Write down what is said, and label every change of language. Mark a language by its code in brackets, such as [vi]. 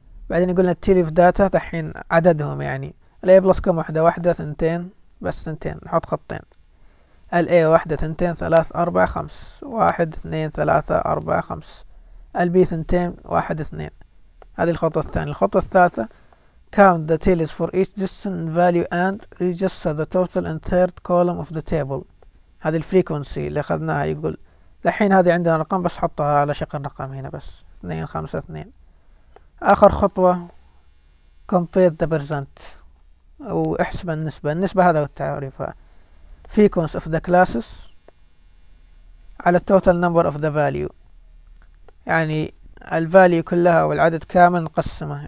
[ar] بعدين يقولنا التيلي في داتا دحين عددهم، يعني الـ A بلس كم؟ واحدة، واحدة، ثنتين، بس ثنتين، نحط خطين، الـ A واحدة، ثنتين، ثلاث، أربعة، خمس، واحد، اثنين، ثلاثة، أربعة، خمس، الـ B ثنتين، واحد، اثنين، هذه الخطة الثانية. الخطة الثالثة [en] count the tillies for each distant value and register the total in third column of the table. [ar] هذه الفريكونسي اللي أخذناها، يقول دحين هذه عندنا رقم بس حطها على شكل رقم هنا بس، اثنين، خمسة، اثنين. آخر خطوة [en] compare the percent [ar] واحسب النسبة. النسبة هذا هو تعريفها، [en] frequency of the classes [ar] على [en] total number of the value، [ar] يعني ال value كلها والعدد كامل نقسمه.